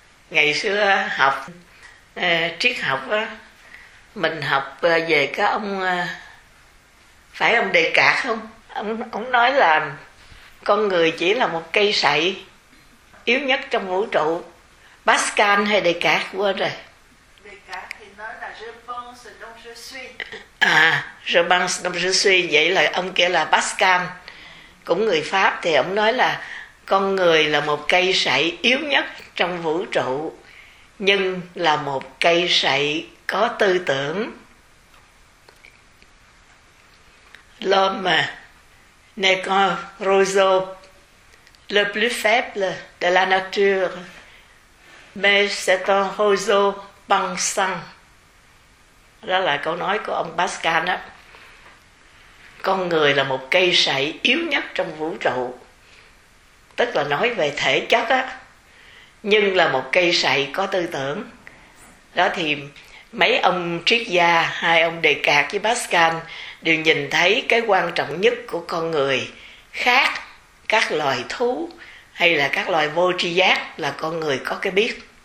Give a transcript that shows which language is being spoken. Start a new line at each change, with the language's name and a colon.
Vietnamese: Ngày xưa học triết học á, mình học về cái ông, phải ông Đề Cạt không? Ông nói là con người chỉ là một cây sậy yếu nhất trong vũ trụ. Pascal hay Descartes, quên rồi.
French: Descartes
Vietnamese: thì nói là
French: je pense donc je suis. À, je pense donc je suis.
Vietnamese: Vậy là ông kia là Pascal, cũng người Pháp, thì ông nói là con người là một cây sậy yếu nhất trong vũ trụ, nhưng là một cây sậy có tư tưởng.
French: L'homme
Vietnamese: mà
French: n'est qu'un roseau le plus faible de la nature, mais c'est un roseau pensant.
Vietnamese: Đó là câu nói của ông Pascal đó. Con người là một cây sậy yếu nhất trong vũ trụ, tức là nói về thể chất á, nhưng là một cây sậy có tư tưởng. Đó thì mấy ông triết gia, hai ông Đề Cạt với Pascal đều nhìn thấy cái quan trọng nhất của con người khác các loài thú hay là các loài vô tri giác là con người có cái biết.